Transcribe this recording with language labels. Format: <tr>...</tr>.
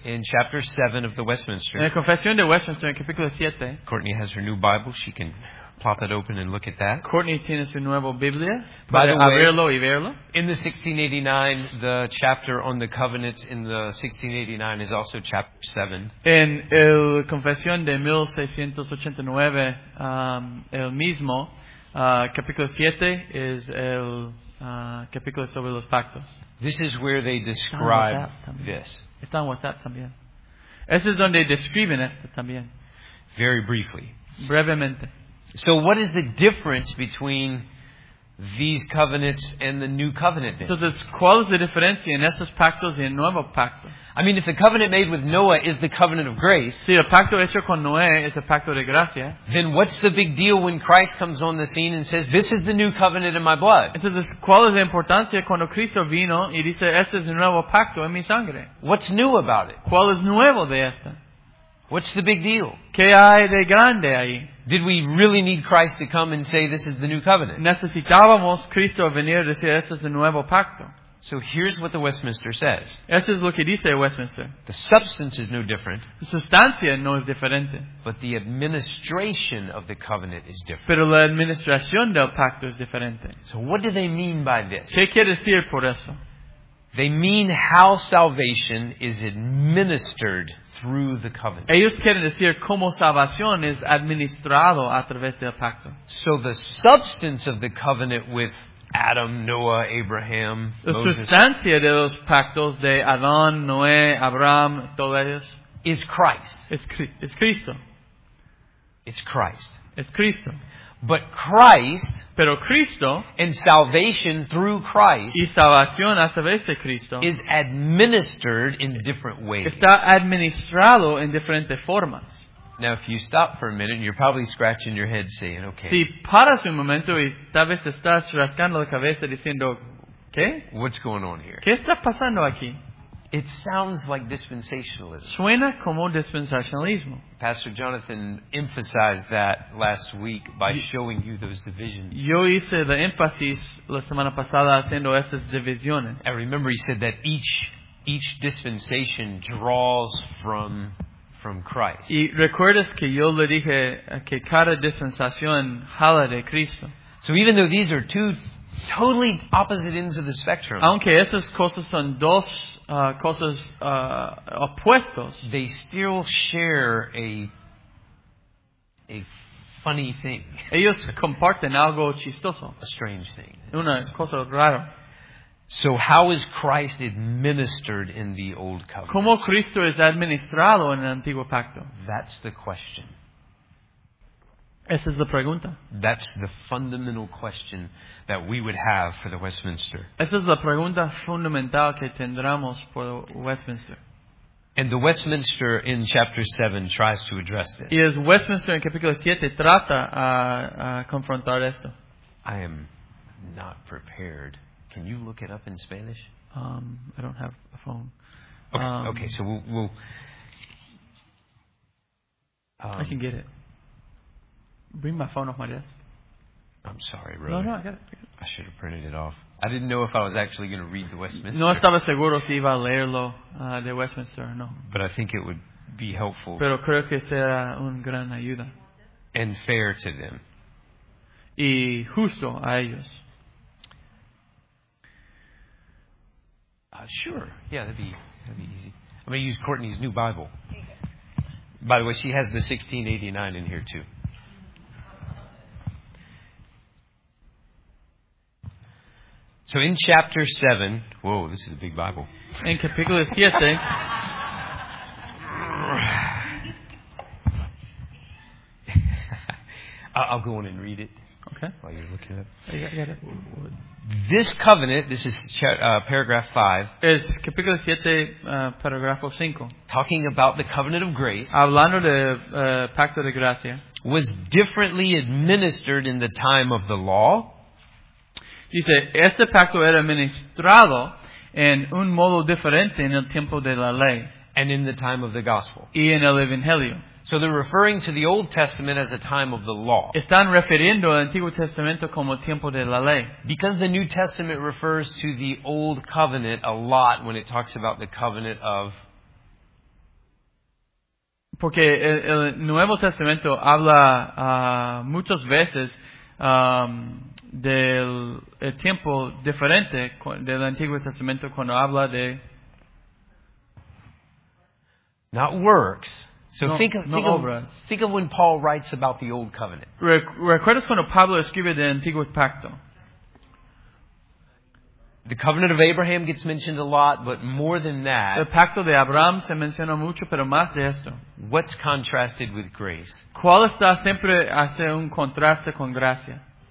<en>In chapter 7 of the Westminster.</en> <es>En la confesión de Westminster, en capítulo 7.</es> <en>Courtney has her new Bible. She can plop it open and look at that.</en> <es>Courtney tiene su nueva Biblia.</es> <en>By the way,</en> <es>abrirlo y verlo.</es> <en>In the 1689, the chapter on the covenants in the 1689 is also chapter 7.</en> <es>En el confesión de 1689, el mismo, capítulo 7 es el capítulo sobre los pactos.</es> <en>This is where they describe this.</en> <es>Está en WhatsApp también. Ese es donde describen esto también.</es> <en>Very briefly.</en> <es>Brevemente.</es> <en>So what is the difference between these covenants and the new covenant?</en> <es>Entonces, ¿cuál es la diferencia en estos pactos y el nuevo pacto?</es> <en>I mean, if the covenant made with Noah is the covenant of grace,</en> <es>si el pacto hecho con Noé es el pacto de gracia,</es> <en>then what's the big deal when Christ comes on the scene and says, "This is the new covenant in my blood"?</en> <es>Entonces, ¿cuál es la importancia cuando Cristo vino y dice, "Este es el nuevo pacto en mi sangre"?</es> <en>What's new about it?</en> <es>¿Cuál es nuevo de esto?</es> <en>What's the big deal?</en> <es>¿Qué hay de grande ahí?</es> <en>Did we really need Christ to come and say this is the new covenant?</en> <es>Necesitábamos Cristo venir a decir este es el nuevo pacto.</es> <en>So here's what the Westminster says.</en> <es>Este es lo que dice Westminster.</es> <en>The substance is no different.</en> <es>La sustancia no es diferente.</es> <en>But the administration of the covenant is different.</en> <es>Pero la administración del pacto es diferente.</es> <en>So what do they mean by this?</en> <es>¿Qué quiere decir por eso?</es> <en>They mean how salvation is administered through the covenant.</en> <es>Ellos quieren decir cómo salvación es administrado a través del pacto.</es> <en>So the substance of the covenant with Adam, Noah, Abraham,</en> <es>la sustancia de los pactos de Adán, Noé, Abraham, todos ellos,</es> <en>is Christ.</en> <es>Es Cristo.</es> <en>It's Christ.</en> <es>Es Cristo.</es> <en>But Christ,</en> <es>pero Cristo,</es> <en>and salvation through Christ,</en> <es>y salvación a través de Cristo,</es> <en>is administered in different ways.</en> <es>Está administrado en diferentes formas.</es> <en>Now, if you stop for a minute, you're probably scratching your head, saying, "Okay."</en> <es>Si paras un momento y tal vez estás rascando la cabeza diciendo, ¿qué?</es> <en>What's going on here?</en> <es>¿Qué está pasando aquí?</es> <en>It sounds like dispensationalism.</en> <es>Suena como dispensacionalismo.</es> <en>Pastor Jonathan emphasized that last week by showing you those divisions.</en> <es>Yo hice la énfasis la semana pasada haciendo estas divisiones.</es> <en>And remember, he said that each dispensation draws from Christ.</en> <es>Y recuerdas que yo le dije que cada dispensación jala de Cristo.</es> <en>So even though these are two totally opposite ends of the spectrum,</en> <es>aunque esas cosas son dos cosas opuestos,</es> <en>they still share a funny thing.</en> <es>Ellos comparten algo chistoso.</es> <en>A strange thing.</en> <es>Una cosa rara.</es> <en>So how is Christ administered in the old covenant?</en> <es>¿Cómo Cristo es administrado en el antiguo pacto?</es> <en>That's the question.</en> <es>Esa es la pregunta.</es> <en>That's the fundamental question that we would have for the Westminster.</en> <es>Esa es la pregunta fundamental que tendremos por Westminster.</es> <en>And the Westminster in chapter 7 tries to address this.</en> <es>Y el Westminster en capítulo 7 trata a confrontar esto.</es> <en>I am not prepared. Can you look it up in Spanish? I don't have a phone. Okay, so we'll I can get it. Bring my phone off my desk. I'm sorry, really. No, I got it. I should have printed it off. I didn't know if I was actually going to read the Westminster.</en> <es>No estaba seguro si iba a leerlo de Westminster o no.</es> <en>But I think it would be helpful.</en> <es>Pero creo que será un gran ayuda.</es> <en>And fair to them.</en> <es>Y justo a ellos.</es> <en>Sure. Yeah, that'd be easy. I'm going to use Courtney's new Bible. By the way, she has the 1689 in here too. So in chapter 7, whoa, this is a big Bible.</en> <es>In capítulo 7.</es> <en>I'll go on and read it. Okay. While you're looking at it. I got it. This covenant, this is paragraph 5.</en> <es>Es capítulo 7, paragrafo 5.</es> <en>Talking about the covenant of grace.</en> <es>Hablando de pacto de gracia.</es> <en>Was differently administered in the time of the law.</en> <es>Dice, este pacto era administrado en un modo diferente en el tiempo de la ley.</es> <en>And in the time of the gospel.</en> <es>Y en el evangelio.</es> <en>So they're referring to the Old Testament as a time of the law.</en> <es>Están refiriendo al Antiguo Testamento como tiempo de la ley.</es> <en>Because the New Testament refers to the Old Covenant a lot when it talks about the covenant of...</en> <es>Porque el Nuevo Testamento habla muchas veces del el tiempo diferente del Antiguo Testamento cuando habla de...</es> <en>Not works. So</en> <es>no,</es> <en>think of when Paul writes about the Old Covenant.</en> <es>¿Recuerdas cuando Pablo escribe del Antiguo Pacto?</es> <en>The covenant of Abraham gets mentioned a lot, but more than that.</en> <es>El pacto de Abraham se menciona mucho, pero más de esto.</es> <en>What's contrasted with grace?</en> <es>¿Cuál está siempre hace un contraste con gracia?</es>